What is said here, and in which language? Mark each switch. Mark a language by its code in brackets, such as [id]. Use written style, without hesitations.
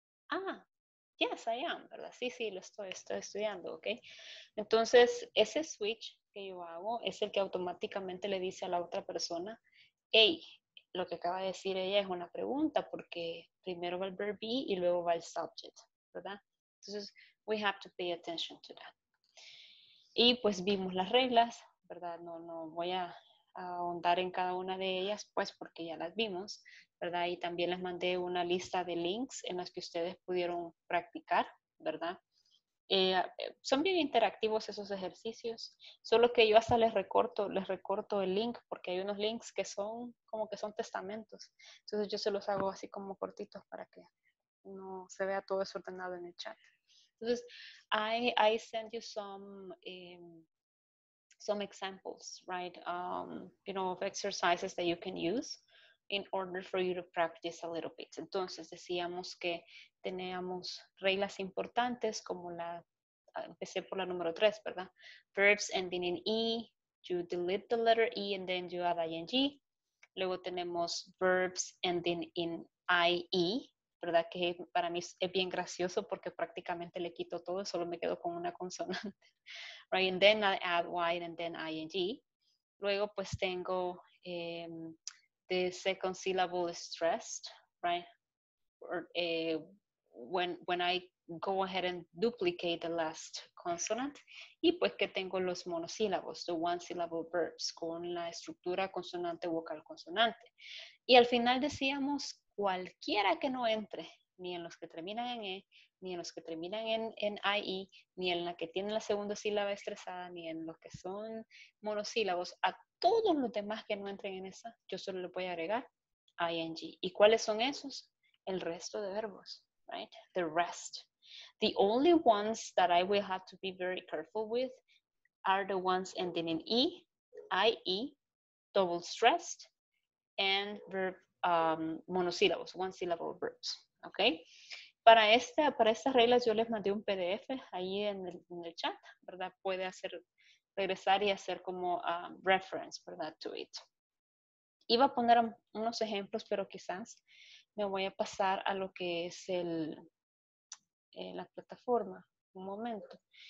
[es] Ah, [en] yes, I am, [es] ¿verdad? Sí, sí, lo estoy estudiando, ¿ok? Entonces, ese switch que yo hago es el que automáticamente le dice a la otra persona, hey, lo que acaba de decir ella es una pregunta porque primero va el verb be y luego va el subject, ¿verdad? [en] Entonces, we have to pay attention to that. [es] Y pues vimos las reglas, ¿verdad? No voy a ahondar en cada una de ellas, pues porque ya las vimos, ¿verdad? Y también les mandé una lista de links en las que ustedes pudieron practicar, ¿verdad? Son bien interactivos esos ejercicios, solo que yo hasta les recorto el link porque hay unos links que son como que son testamentos. Entonces yo se los hago así como cortitos para que no se vea todo desordenado en el chat. Entonces, [en] I send you some some examples, right, you know, of exercises that you can use in order for you to practice a little bit. [es] Entonces, decíamos que teníamos reglas importantes como la, empecé por la número 3, ¿verdad? [en] Verbs ending in E, you delete the letter E and then you add ing. [es] Luego tenemos verbs ending in IE, ¿verdad? Que para mí es bien gracioso porque prácticamente le quito todo, solo me quedo con una consonante. [en] Right, and then I add Y and then ing. [es] Luego pues tengo [en] the second syllable is stressed, right? Or, when I go ahead and duplicate the last consonant. [es] Y pues que tengo los monosílabos, [en] the one syllable verbs, [es] con la estructura consonante, vocal, consonante. Y al final decíamos, cualquiera que no entre, ni en los que terminan en E, ni en los que terminan en IE, ni en la que tiene la segunda sílaba estresada, ni en los que son monosílabos, a todos los demás que no entren en esa, yo solo le voy a agregar ing. ¿Y cuáles son esos? El resto de verbos, right? [en] The rest. The only ones that I will have to be very careful with are the ones ending in E, IE, double stressed, and verb monosílabos, one syllable verbs, okay? [es] Para estas reglas yo les mandé un PDF ahí en el chat, ¿verdad? Puede hacer regresar y hacer como reference, ¿verdad? To it. Iba a poner unos ejemplos, pero quizás me voy a pasar a lo que es el, la plataforma. Un momento.